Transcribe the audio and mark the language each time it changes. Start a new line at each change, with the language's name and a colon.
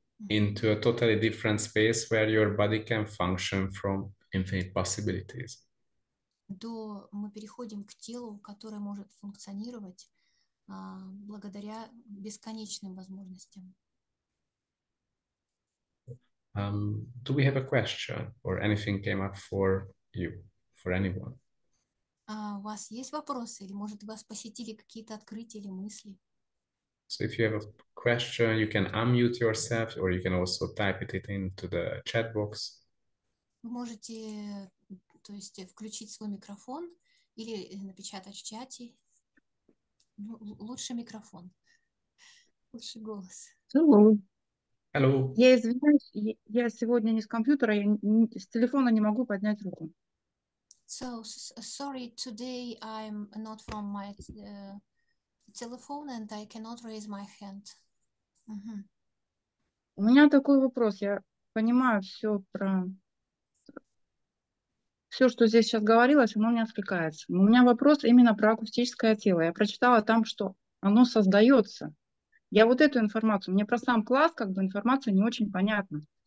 English: into a totally different space where your body can function from infinite possibilities.
Russian: До мы переходим к телу, которое может функционировать благодаря бесконечным возможностям.
English: Do we have a question or anything came up for you, for anyone?
Russian: А у вас есть вопросы, или, может, вас посетили какие-то открытия или мысли?
English: So if you have a question, you can unmute yourself or you can also type it into the chat box.
Russian: Вы можете, то есть, включить свой микрофон или напечатать в чате. Лучше микрофон, лучше голос.
English: Hello. Hello.
Russian: Я извиняюсь, я сегодня не с компьютера, я с телефона не могу поднять руку.
English: Sorry, today I'm not from my telephone and I cannot raise my hand.
Russian: У меня такой вопрос. Я понимаю все про все, что здесь сейчас говорилось, оно не откликается. У меня вопрос именно про акустическое тело. Я прочитала там, что оно создается. Я вот эту информацию, мне про сам класс, как бы информация не очень понятна.